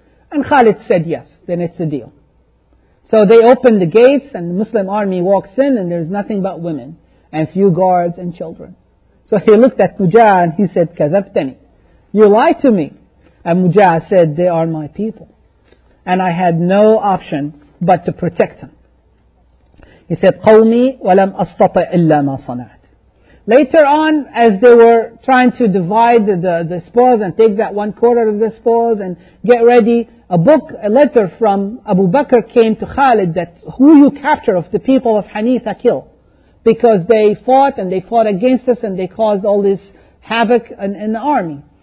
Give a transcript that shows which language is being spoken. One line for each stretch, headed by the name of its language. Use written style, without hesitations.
English: And Khalid said yes, then it's a deal. So they open the gates and the Muslim army walks in and there's nothing but women and few guards and children. So he looked at Mujah and he said, Kadhabtani, you lie to me. And Mujah said, they are my people. And I had no option but to protect them. He said,
Arabic: قَوْمِي وَلَمْ أَسْتَطَعْ إِلَّا مَا صَنَعْتُ.
English: Later on, as they were trying to divide the spoils and take that one quarter of the spoils and get ready, a letter from Abu Bakr came to Khalid that who you capture of the people of Hanifa kill. Because they fought and they fought against us and they caused all this havoc in the army.